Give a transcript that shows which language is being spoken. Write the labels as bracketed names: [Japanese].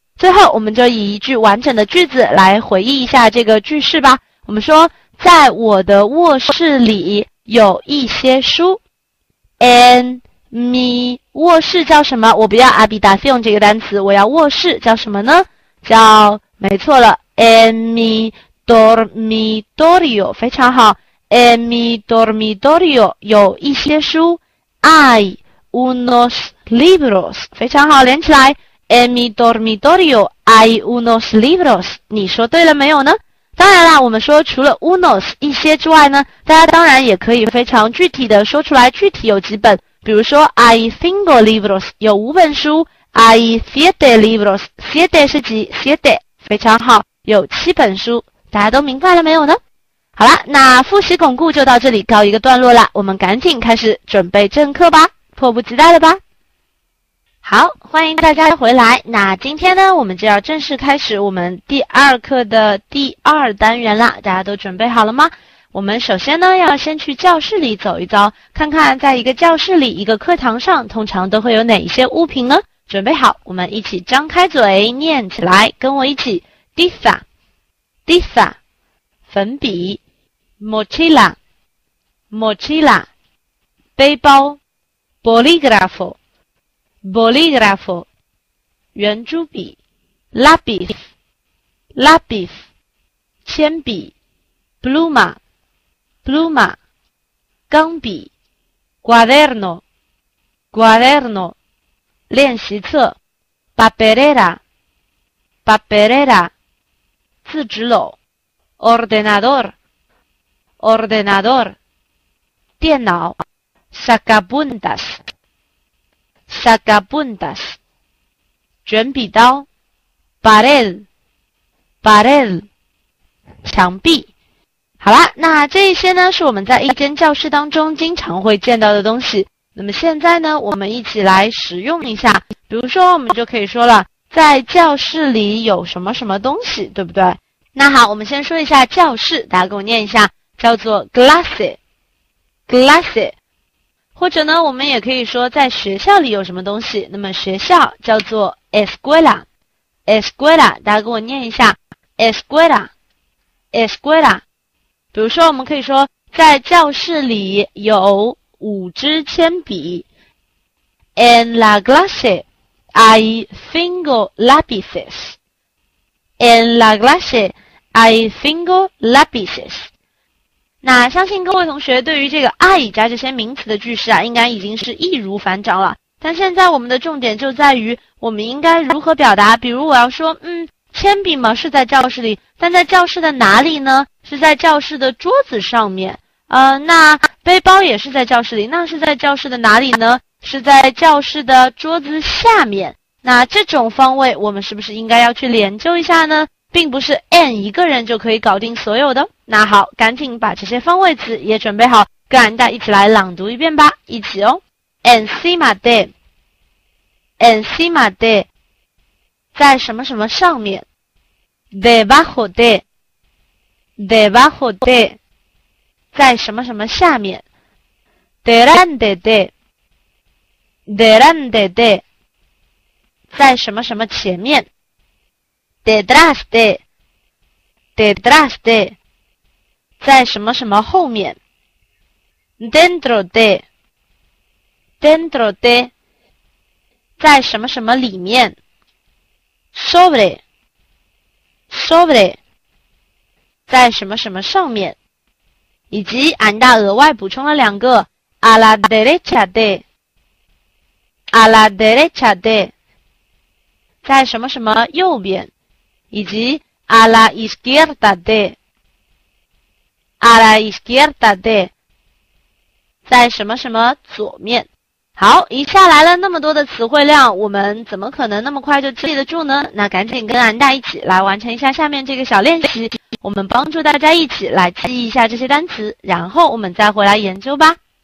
[Chinese] 最后我们就以一句完整的句子来回忆一下这个句式吧。我们说在我的卧室里有一些书。 en mi 卧室叫什么？我不要 habitación 这个单词，我要卧室叫什么呢？叫，没错了， [Spanish] en mi dormitorio， [Chinese] 非常好， en mi dormitorio 有一些书。 [Spanish] hay unos libros， [Chinese] 非常好，连起来， [Spanish] en mi dormitorio hay unos libros， [Chinese] 你说对了没有呢？当然啦，我们说除了 unos 一些之外呢，大家当然也可以非常具体的说出来具体有几本，比如说 [Spanish] hay cinco libros， [Chinese] 有五本书。 [Spanish] hay siete libros， siete [Chinese] 是几？ siete， 非常好，有七本书，大家都明白了没有呢？好啦，那复习巩固就到这里告一个段落啦，我们赶紧开始准备正课吧，迫不及待了吧。好，欢迎大家回来。那今天呢，我们就要正式开始我们第二课的第二单元啦。大家都准备好了吗？我们首先呢，要先去教室里走一遭，看看在一个教室里，一个课堂上，通常都会有哪一些物品呢？准备好，我们一起张开嘴，念起来，跟我一起。 [Spanish] Tiza, tiza, 粉笔。 Mochila, mochila, 背包。 Bolígrafo, bolígrafo, 圆珠笔。 Lápiz, lápiz, 铅笔。 Pluma, pluma, 钢笔。 Cuaderno, cuaderno, 练习册。 Papelera, papelera, 自纸篓。 Ordenador, ordenador, 电脑。 Sacapuntas,sacapuntas, 卷笔刀。 pared, pared, 墙壁。 [Chinese] 好啦，那这一些呢是我们在一间教室当中经常会见到的东西，那么现在呢我们一起来使用一下，比如说我们就可以说了在教室里有什么什么东西，对不对？那好，我们先说一下教室，大家给我念一下，叫做 glasse, glasse,或者呢，我们也可以说在学校里有什么东西，那么学校叫做 escuela, escuela, 大家给我念一下 escuela, escuela。比如说我们可以说在教室里有五支铅笔。 [Spanish] en la clase hay cinco lápices, en la clase hay cinco lápices。 [Chinese] 那相信各位同学对于这个 I 加这些名词的句式啊，应该已经是易如反掌了。但现在我们的重点就在于我们应该如何表达，比如我要说，铅笔嘛是在教室里，但在教室的哪里呢？是在教室的桌子上面。那背包也是在教室里，那是在教室的哪里呢？是在教室的桌子下面。那这种方位我们是不是应该要去研究一下呢？并不是 N 一个人就可以搞定所有的。那好，赶紧把这些方位词也准备好，跟俺大一起来朗读一遍吧，一起哦。 [Spanish] Encima de, encima de, [Chinese] 在什么什么上面。 [Spanish] Debajo de, debajo de, [Chinese] 在什么什么下面。 [Spanish] Delante de, delante de, [Chinese] 在什么什么前面。 [Spanish] Detrás de, detrás de, [Chinese] 在什么什么后面。 [Spanish] Dentro de, dentro de, [Chinese] 在什么什么里面。 [Spanish] Sobre, sobre, [Chinese] 在什么什么上面。以及俺大额外补充了两个 [Spanish] a la derecha de, a la derecha de, [Chinese] 在什么什么右边。 [Spanish] 以及 a la izquierda de, a la izquierda de, [Chinese] 在什么什么左面。好，一下来了那么多的词汇量，我们怎么可能那么快就记得住呢？那赶紧跟安娜一起来完成一下下面这个小练习，我们帮助大家一起来记一下这些单词，然后我们再回来研究吧。